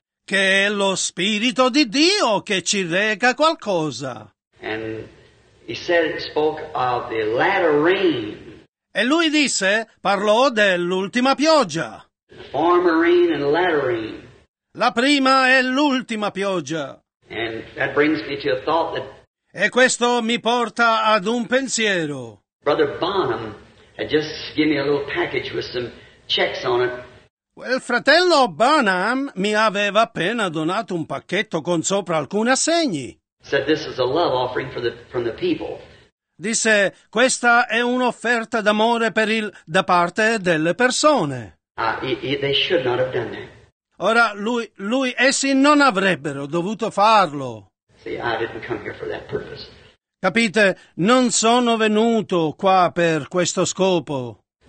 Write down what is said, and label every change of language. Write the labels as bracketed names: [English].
[Italian] Che è lo Spirito di Dio che ci reca qualcosa. [English] And he said it spoke of the latter rain. [Italian] E lui disse, parlò dell'ultima pioggia. [English] The former rain and the latter rain. [Italian] La prima e l'ultima pioggia. [English] And that brings me to a thought that. [Italian] E questo mi porta ad un pensiero. [English] Brother Bonham had just given me a little package with some checks on it. [Italian] Quel fratello Bonham mi aveva appena donato un pacchetto con sopra alcuni assegni. [English] Said this is a love offering for the, from the people. [Italian] Disse, questa è un'offerta d'amore per il, da parte delle persone. [English] They should not have done that. [Italian] Ora, essi non avrebbero dovuto farlo. [English] See, I didn't come here for that purpose. [Italian] Capite, non sono venuto qua per questo scopo.